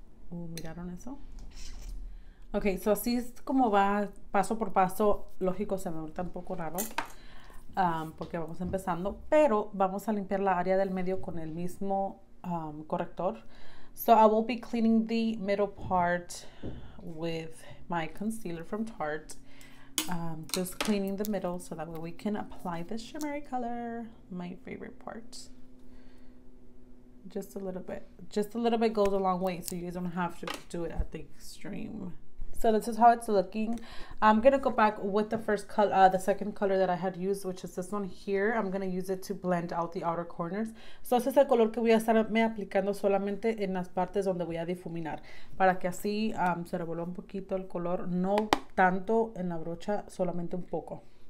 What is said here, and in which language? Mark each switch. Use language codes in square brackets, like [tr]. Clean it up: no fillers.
[es] Ooh, ¿miraron eso? Ok, so así es como va paso por paso. Lógico, se me nota un poco raro porque vamos empezando, pero vamos a limpiar la área del medio con el mismo corrector. [en] So I will be cleaning the middle part with my concealer from Tarte. Just cleaning the middle so that way we can apply this shimmery color, my favorite part. Just a little bit. Just a little bit goes a long way, so you guys don't have to do it at the extreme. So this is how it's looking. I'm gonna go back with the first color, the second color that I had used, which is this one here. I'm gonna use it to blend out the outer corners. [es] So ese es el color que voy a estarme aplicando solamente en las partes donde voy a difuminar, para que así se revuelva un poquito el color, no tanto en la brocha, solamente un poco.